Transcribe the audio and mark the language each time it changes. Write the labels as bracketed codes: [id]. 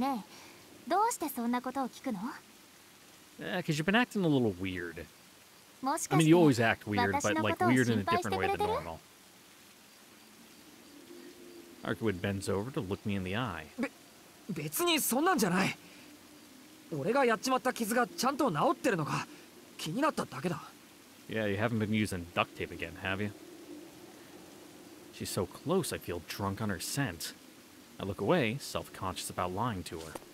[ja] そんなの引いてないよ。ねえ、どうしてそんなことを聞くの? [en] Yeah, because you've been acting a little weird. I mean, you always act weird, but like weird in a different way than normal. Arcuid bends over to look me in the eye. [ja] べ、別にそんなんじゃない。俺がやっちまった傷がちゃんと治ってるのか気になっただけだ。 [en] Yeah, you haven't been using duct tape again, have you? She's so close, I feel drunk on her scent. I look away, self-conscious about lying to her.